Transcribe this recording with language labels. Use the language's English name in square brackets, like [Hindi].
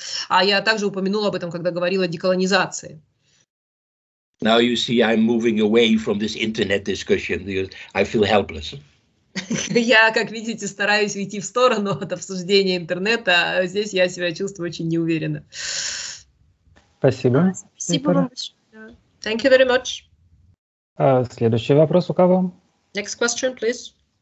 [Russian] А я также упомянула об этом, когда говорила о деколонизации. [English] Now you see I'm moving away from this internet discussion because I feel helpless. [Russian] Я, как видите, стараюсь уйти в сторону от обсуждения интернета, а здесь я себя чувствую очень неуверенно. Спасибо. Спасибо вам большое. [English] Thank you very much. [Russian] Следующий вопрос у кого? [English] Next question, please.